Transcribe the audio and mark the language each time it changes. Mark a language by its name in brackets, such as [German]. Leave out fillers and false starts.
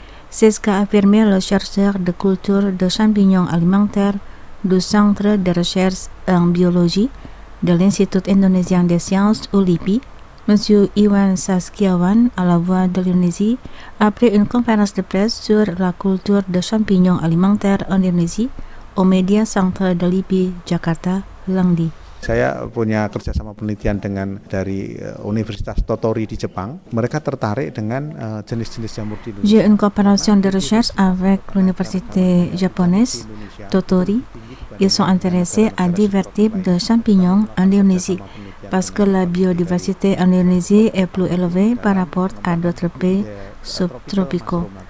[French] C'est ce qu'a affirmé le chercheur de culture de champignons alimentaires du Centre de recherche en biologie de l'Institut indonésien des sciences, ou LIPI, M. Iwan Saskiawan, à La Voix de l'Indonésie, après une conférence de presse sur la culture de champignons alimentaires en Indonésie au Media Centre de LIPI, Jakarta, lundi. [Indonesian] Saya punya kerjasama penelitian dengan dari Universitas Tottori di Jepang. Mereka tertarik dengan jenis-jenis jamur di Indonesia. [French] J'ai une coopération de recherche avec l'université japonaise Tottori. Ils sont intéressés à divers types de champignons en Indonésie parce que la biodiversité en Indonésie est plus élevée par rapport à d'autres pays subtropicaux.